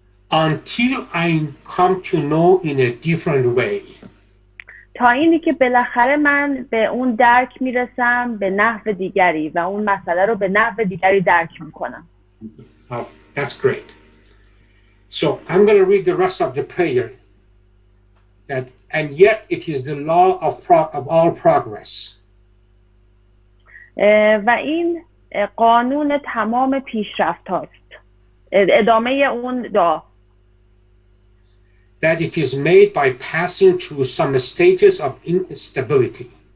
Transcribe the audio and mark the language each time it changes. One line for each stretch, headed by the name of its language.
English: Until I come to know in a different way.
Persian: تا اینی که بالاخره من به اون درک میرسم به نحو دیگری و اون مسئله رو به نحو دیگری درک میکنم.
English: Oh, that's great. So I'm going to read the rest of the prayer. That, and yet it is the law of all progress.
Persian: و این قانون تمام پیشرفت هاست. ادامه اون دعا.
English: That it is made by passing through some stages of instability.